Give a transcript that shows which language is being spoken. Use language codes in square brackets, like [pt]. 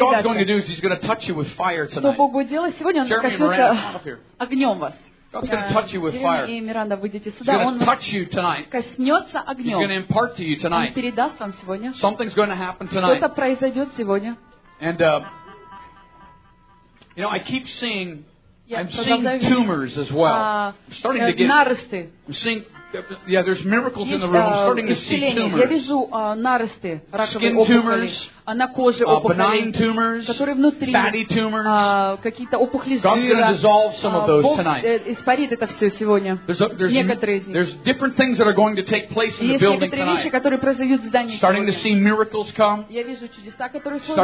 [en] What God's going to do is He's going to touch you with fire tonight. [ru] Что Бог будет делать сегодня? Он коснется огнем вас. [en] God's going to touch you with fire. [ru] И Миранда, выйдите сюда. [en] He's going to touch you tonight. [ru] Коснется огнем. [en] He's going to impart to you tonight. [ru] Он передаст вам сегодня. [en] Something's going to happen tonight. [ru] Что-то произойдет сегодня. [en] And you know, I keep seeing. I'm seeing tumors as well. I'm starting to get. [ru] Нарости. [en] I'm seeing. Yeah, there's miracles in the room. I'm starting to see tumors. [ru] Я вижу нарости, раковые опухоли. [en] Skin tumors. [ru] На коже опухоли. [en] Benign tumors. [ru] Которые внутри. [en] Fatty tumors. [ru] Какие-то опухоли жира. [en] God's going to dissolve some of those tonight. [ru] Бог испарит это все сегодня. Некоторые из них. [en] There's different things that are going to take place in the building tonight. [ru] Есть некоторые вещи, которые произойдут в здании сегодня. [en] Starting to see miracles come. [ru] Я вижу чудеса, которые сегодня.